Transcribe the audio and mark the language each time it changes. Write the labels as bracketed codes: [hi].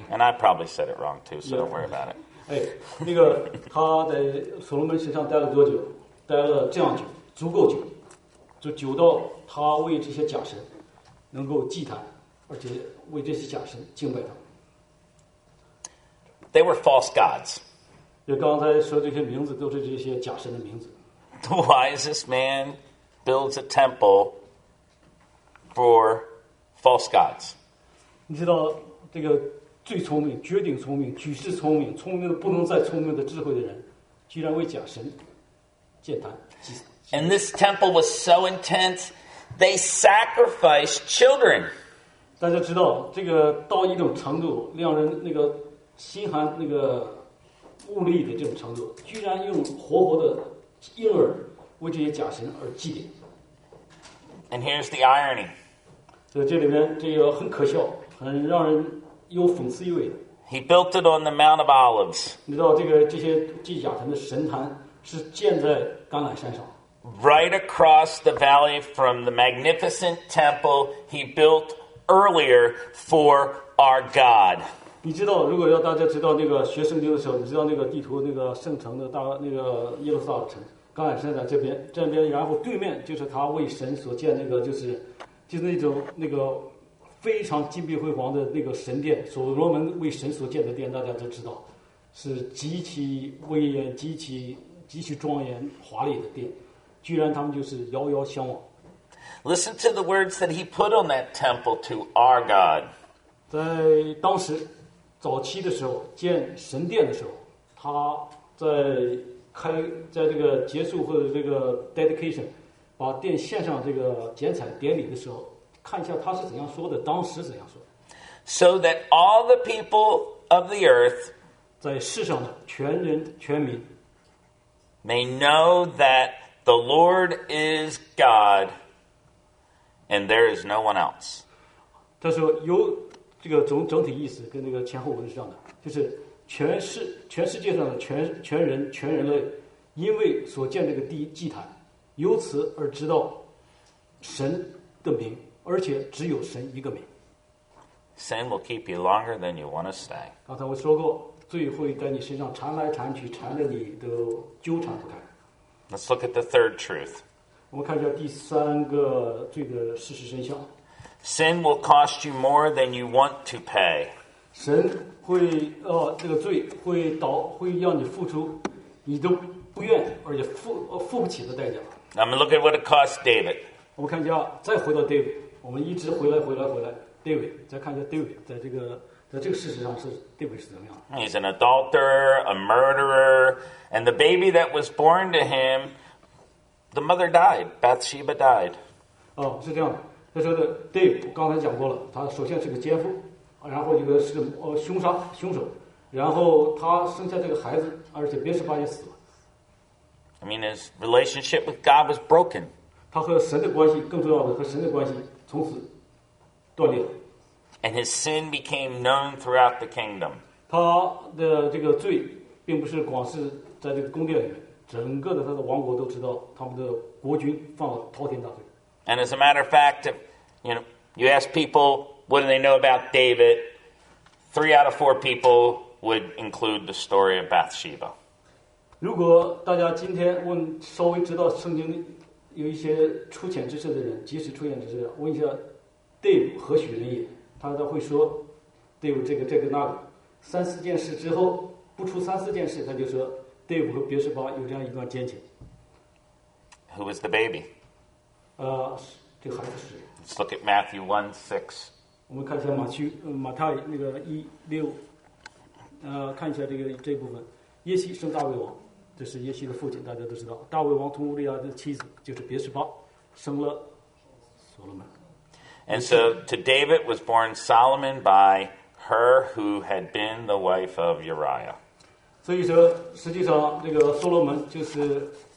[en] And I probably said it wrong too, so don't worry about it. [zh] Hey, 那个他在所罗门身上待了多久？待了这样久，足够久，就久到他为这些假神能够祭坛，而且为这些假神敬拜他。 [en] They were false gods. [zh] 就刚才说这些名字都是这些假神的名字。 [en] The wisest man builds a temple for false gods. [zh] 你知道这个最聪明、绝顶聪明、举世聪明、聪明的不能再聪明的智慧的人，居然为假神建坛。 [en] And this temple was so intense, they sacrificed children. [zh] 大家知道这个到一种程度，让人那个心寒、那个物力的这种程度，居然用活活的婴儿。 [en] And here's the irony. [zh] 这里面这个很可笑，很让人有讽刺意味的。 [en] He built it on the Mount of Olives. [zh] 你知道这个这些祭假神的神坛是建在橄榄山上。 [en] Right across the valley from the magnificent temple he built earlier for our God. [zh] 你知道，如果要大家知道那个学圣经的时候，你知道那个地图那个圣城的大那个耶路撒冷城。刚才是在这边，这边，然后对面就是他为神所建那个，就是那种那个非常金碧辉煌的那个神殿，所罗门为神所建的殿，大家都知道，是极其威严、极其庄严华丽的殿，居然他们就是遥遥相望。 [en] Listen to the words that he put on that temple to our God. [zh] 在当时早期的时候建神殿的时候，他在。开在这个结束或者这个 dedication 把殿献上这个剪彩典礼的时候，看一下他是怎样说的，当时怎样说。 [en] So that all the people of the earth [zh] 在世上的全人全民 [en] may know that the Lord is God and there is no one else. [zh] 他说有这个整体意思跟那个前后文是这样的，就是。全世界上的全人类，因为所建这个第一祭坛，由此而知道神的名，而且只有神一个名。 [en] Sin will keep you longer than you want to stay. [zh] 刚才我说过，罪会在你身上缠来缠去，缠着你都纠缠不开。 [en] Let's look at the third truth. [zh] 我们看一下第三个罪的事实真相。 [en] Sin will cost you more than you want to pay. [zh] 神。会这个罪会导会让你付出你都不愿而且付不起的代价。 [en] I'm look at what it cost David. [zh] 我们看一下再回到 David, 我们一直回来 David, 再看一下 David, 在这个事实上是 David 是怎么样的。 [en] He's an adulterer, a murderer, and the baby that was born to him, the mother died, Bathsheba died. [zh] 哦是这样的，他说的 David, 我刚才讲过了，他首先是个奸夫。然后一个是凶手，然后他生下这个孩子，而且别是发现死了。 [en] I mean his relationship with God was broken. [zh] 他和神的关系，更重要的和神的关系从此断裂了。 [en] And his sin became known throughout the kingdom. [zh] 他的这个罪并不是光是在这个宫殿里面，整个的他的王国都知道他们的国君犯了滔天大罪。 [en] And as a matter of fact, if, you know, you ask people, what do they know about David? 3 out of 4 people would include the story of Bathsheba. [zh] 如果大家今天问稍微知道圣经有一些粗浅知识的人，即使粗浅知识，问一下 David 何许人也，他都会说 David 这个这个那个。三四件事之后，不出三四件事，他就说 David 和别是巴有这样一段奸情。 [en] Who was the baby? [zh] 这个孩子是。 [en] Let's look at Matthew 1:6. [zh] 我们看一下马太，马太那个一六，看一下这个这部分。耶西生大卫王，这是耶西的父亲，大家都知道。大卫王同乌利亚的妻子就是别是巴，生了所罗门。 [en] And so to David was born Solomon by her who had been the wife of Uriah. [zh] 所以说，实际上这个所罗门就是。